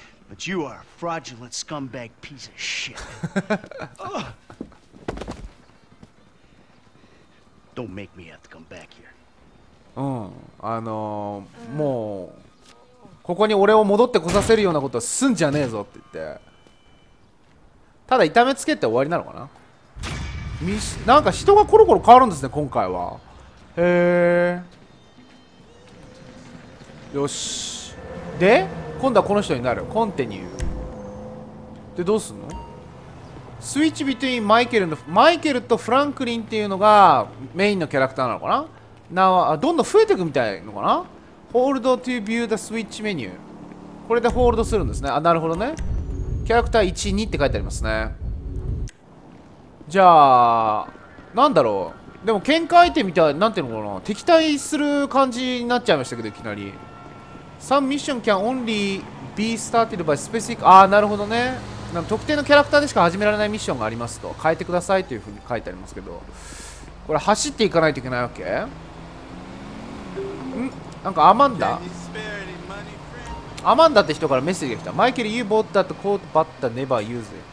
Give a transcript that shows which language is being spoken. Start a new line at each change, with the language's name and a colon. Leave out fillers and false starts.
English: But you are a fraudulent scumbag piece of shit. Don't make me have to come back here.
Japanese: もうここに俺を戻ってこさせるようなことはすんじゃねえぞって言って。ただ痛めつけて終わりなのかな。なんか人がコロコロ変わるんですね今回は。へえ。よし。で？今度はこの人になる。コンティニュー。で、どうすんの？スイッチビトゥインマイケルの、マイケルとフランクリンっていうのがメインのキャラクターなのかな？どんどん増えていくみたいのかな？ホールドトゥビュータスイッチメニュー。これでホールドするんですね。あ、なるほどね。キャラクター1、2って書いてありますね。じゃあ、なんだろう。でも喧嘩相手みたい、なんていうのかな？敵対する感じになっちゃいましたけど、いきなり。
English: Some mission can only be started by specific...
Japanese: ああ、なるほどね。なんか特定のキャラクターでしか始められないミッションがありますと。変えてくださいというふうに書いてありますけど。これ走っていかないといけないわけ？ん？なんかアマンダ？アマンダって人からメッセージが来た。マイケル、
English: you bought that coat but the never use it.